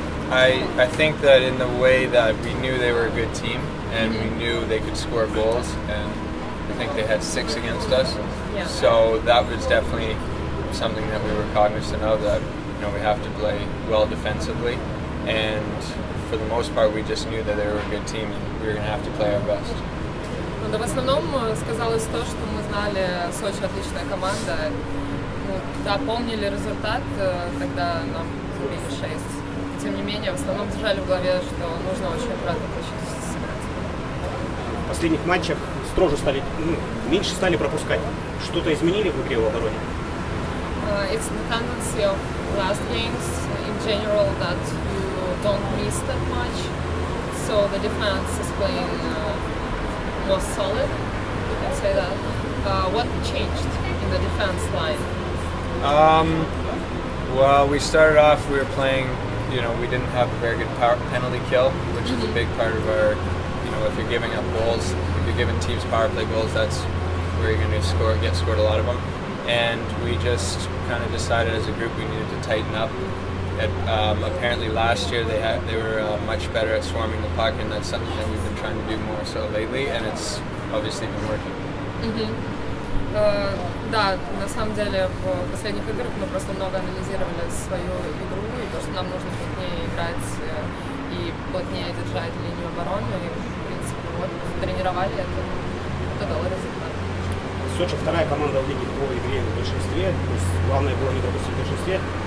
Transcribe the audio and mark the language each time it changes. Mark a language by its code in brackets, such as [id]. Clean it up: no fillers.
[en] I think that in the way that we knew they were a good team and we knew they could score goals, and I think they had 6 against us. Yeah. So that was definitely something that we were cognizant of, that you know we have to play well defensively, and for the most part we just knew that they were a good team and we were going to have to play our best. [ru] Ну, да, в основном сказалось то, что мы знали, Сочи отличная команда. Ну, да, помнили результат, тогда нам забили 6. Тем не менее, в основном держали в голове, что нужно очень аккуратно почистить сыграть. В последних матчах строже стали, меньше стали пропускать. Что-то изменили в игре в обороне? [en] It's the tendency of last games in general that you don't miss that much. So the defense is playing more solid, you can say that. What changed in the defense line? Well, we started off, we were playing, you know, we didn't have a very good power penalty kill, which is a big part of our, you know, if you're giving up goals, if you're giving teams power play goals, that's where you're going to get scored a lot of them. And we just kind of decided as a group we needed to tighten up. Apparently last year they were much better at swarming the puck, and that's something that we've been trying to do more so lately, and it's obviously been working. [ru] Да, на самом деле в последних играх мы просто много анализировали свою игру и то, что нам нужно плотнее играть и плотнее держать линию обороны. И, в принципе, вот тренировали это дало результат. Сочи вторая команда в лиге по игре в большинстве. То есть главное было не пропустить в большинстве.